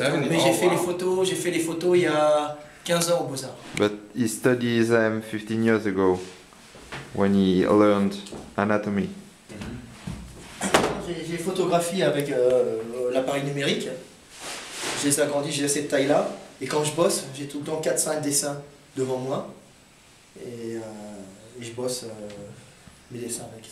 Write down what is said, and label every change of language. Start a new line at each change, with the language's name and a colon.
French: Mais j'ai fait les photos, il y a 15 ans au Beaux-Arts.
English: But he studied them 15 years ago when he learned anatomy.
French: J'ai photographié avec l'appareil numérique. J'ai agrandi, j'ai cette taille là et quand je bosse, j'ai tout le temps 4-5 dessins devant moi et je bosse mes dessins avec.